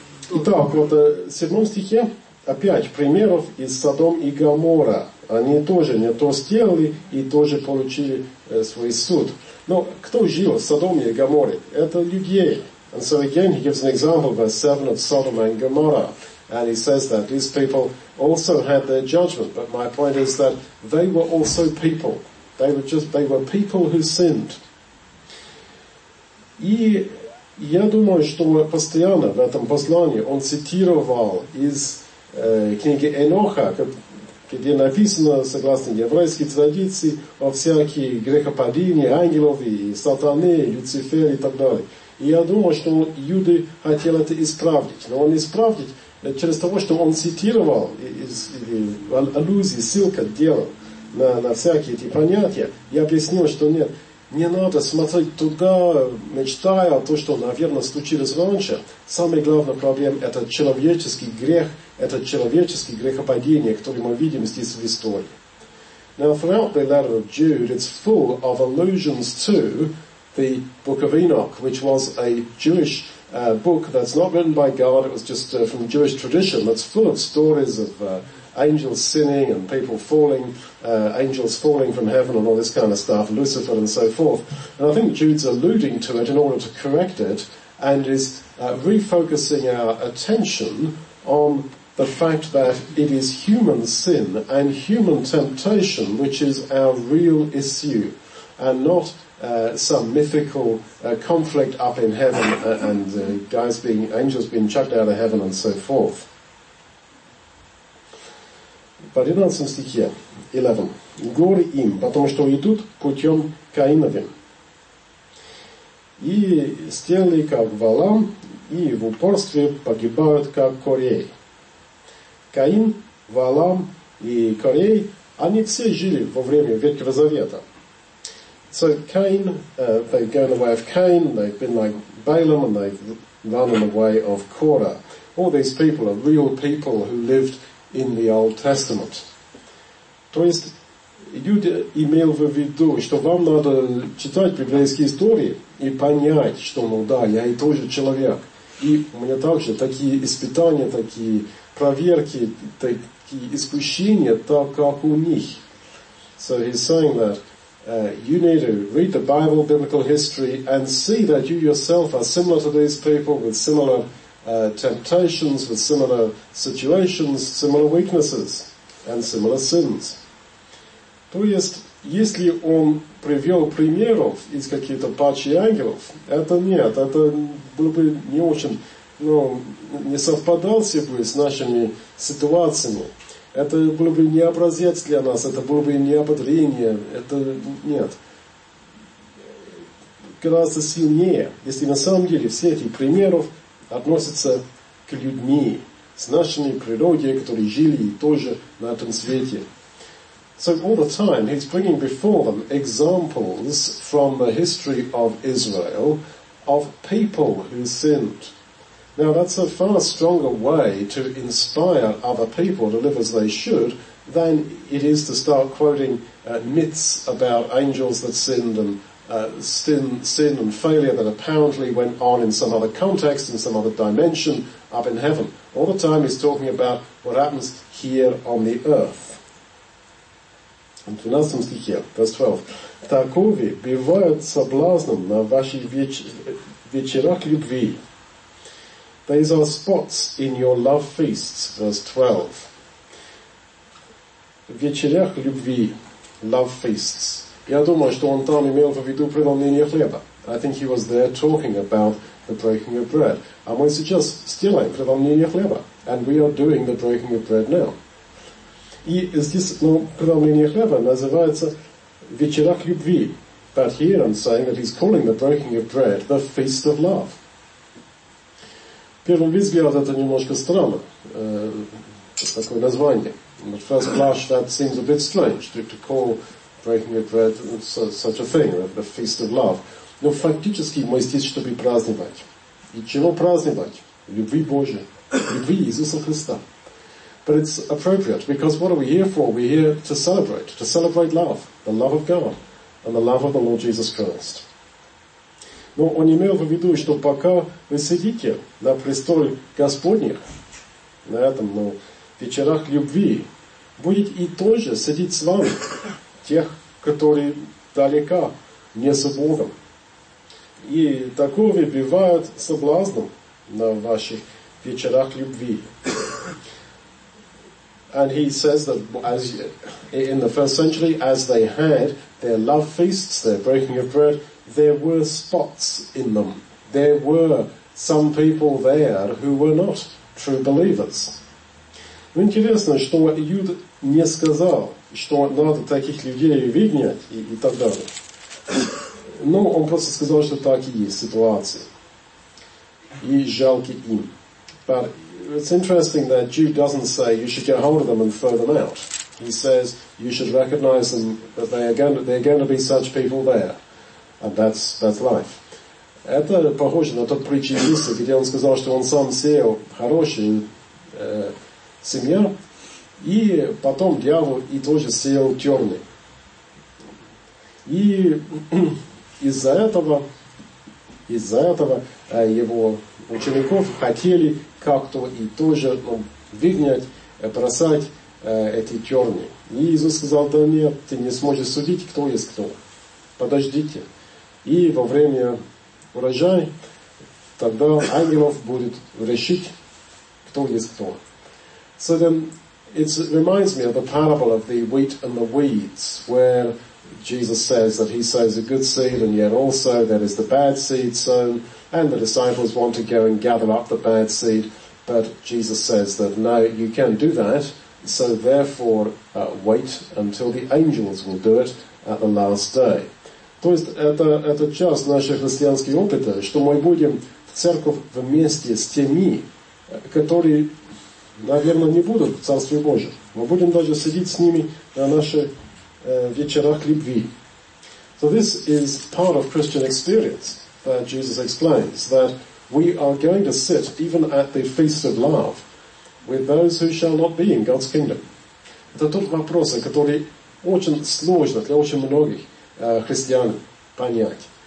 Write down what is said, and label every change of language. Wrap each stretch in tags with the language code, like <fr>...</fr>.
<ru>Итак, вот в 7 стихе опять примеров из Содом и Гоморра. Они тоже не то сделали и тоже получили свой суд. Но кто жил в Содоме и Гоморре? Это людей.</ru> <en>And so again he gives an example verse 7 of Sodom and Gomorrah. And he says that these people also had their judgment. But my point is that they were also people. They were people who sinned.</en> <ru>И я думаю, что постоянно в этом послании он цитировал из книги Еноха, где написано, согласно еврейской традиции, о всякие грехопадения ангелов и сатаны, и Люцифер и так далее. И я думаю, что Юды хотел это исправить. Но он исправить через то, что он цитировал аллюзии, ссылка делал на всякие эти понятия, и объяснил, что нет. Не надо смотреть туда, мечтая о том, что, наверное, случилось раньше. Самый главный проблем – это человеческий грех, это человеческое грехопадение, которое мы видим здесь в истории.</ru> <en>Now, throughout the letter of Jude, it's full of allusions to the Book of Enoch, which was a Jewish book that's not written by God. It was just from Jewish tradition. That's full of stories of angels sinning and people falling, angels falling from heaven and all this kind of stuff, Lucifer and so forth. And I think Jude's alluding to it in order to correct it and is refocusing our attention on the fact that it is human sin and human temptation which is our real issue, and not some mythical conflict up in heaven and angels being chucked out of heaven and so forth.</en> <ru>В 11 стихе, 11, «Горе им, потому что идут путем Каиновым, и сделали как Валам, и в упорстве погибают как Корей». Каин, Валам и Корей, они все жили во время Ветхого Завета.</ru> <en>So Cain, they've gone the way of Cain, they've been like Balaam, and they've run in the way of Korah. All these people are real people who lived in the Old Testament.</en> <ru>То есть, Юда имел в виду, что вам надо читать библейские истории и понять, что, ну да, я и тоже человек. И у меня также такие испытания, такие проверки, такие искушения, так как у них.</ru> <en>So he's saying that you need to read the Bible, biblical history, and see that you yourself are similar to these people with similar temptations, with similar situations, similar weaknesses, and similar sins.</en> <ru>То есть, если он привел примеров из каких-то пачи ангелов, это нет, это было бы не очень, ну, не совпадался бы с нашими ситуациями. Это было бы не образец для нас, это было бы не ободрение, это нет. Гораздо сильнее, если на самом деле все эти примеры относятся к людьми с нашими природой, которые жили и тоже на этом свете.</ru> <en>So all the time he's bringing before them examples from the history of Israel of people who sinned. Now that's a far stronger way to inspire other people to live as they should than it is to start quoting myths about angels that sinned and sin and failure that apparently went on in some other context, in some other dimension up in heaven. All the time he's talking about what happens here on the earth.</en> <ru>В 12 стихе,</ru> <en>verse 12.</en> <ru>Такови бывают соблазном на ваших вечерах любви.</ru> <en>These are spots in your love feasts, verse 12.</en> <ru>Вечерях любви,</ru> <en>love feasts.</en> <ru>Я думаю, что он там имел в виду преломление хлеба.</ru> <en>I think he was there talking about the breaking of bread.</en> <ru>А мы сейчас сделаем преломление хлеба.</ru> <en>And we are doing the breaking of bread now.</en> <ru>И здесь, ну, преломление хлеба называется вечерах любви.</ru> <en>But here I'm saying that he's calling the breaking of bread the feast of love.</en> <ru>Первый взгляд это немножко странно, такое название.</ru> <en>At first blush that seems a bit strange to call breaking of bread such a thing, the feast of love.</en> <ru>Но фактически мы здесь, чтобы праздновать. И чего праздновать? Любви Божия, любви Иисуса Христа.</ru> <en>But it's appropriate, because what are we here for? We're here to celebrate love, the love of God, and the love of the Lord Jesus Christ.</en> <ru>Но он имел в виду, что пока вы сидите на престоле Господних, на этом, ну, вечерах любви, будет и тоже сидеть с вами тех, которые далека, не с Богом. И такого бывают соблазном на ваших вечерах любви.</ru> <en>And he says that as in the first century, as they had their love feasts, their breaking of bread, there were spots in them. There were some people there who were not true believers.</en> <ru>Интересно, что Иуда не сказал, что надо таких людей выгнать и так далее. Но он просто сказал, что так и есть ситуация. И жалко им.</ru> <en>But it's interesting that Jude doesn't say you should get hold of them and throw them out. He says you should recognize them, that they're going to be such people there. And that's life.</en> <ru>Это похоже на тот притч Иисуса, где он сказал, что он сам сеял хорошую семью, и потом дьявол и тоже сеял темный. И из-за этого его учеников хотели как-то и тоже выгнать, бросать эти терни. И Иисус сказал: да нет, ты не сможешь судить, кто есть кто. Подождите. И во время урожая тогда ангелов будет решить, кто есть кто.</ru> <en>So then it reminds me of the parable of the wheat and the weeds, where Jesus says that he sows a good seed, and yet also there is the bad seed sown, and the disciples want to go and gather up the bad seed, but Jesus says that no, you can't do that, so therefore wait until the angels will do it at the last day.</en> <ru>То есть это часть нашего христианского опыта, что мы будем в церковь вместе с теми, которые, наверное, не будут в Царстве Божьем. Мы будем даже сидеть с ними на наших вечерах любви.</ru> <en>So this is part of Christian experience that Jesus explains, that we are going to sit even at the feast of love with those who shall not be in God's kingdom.</en> <ru>Это тот вопрос, который очень сложно для очень многих христиан понять.</ru>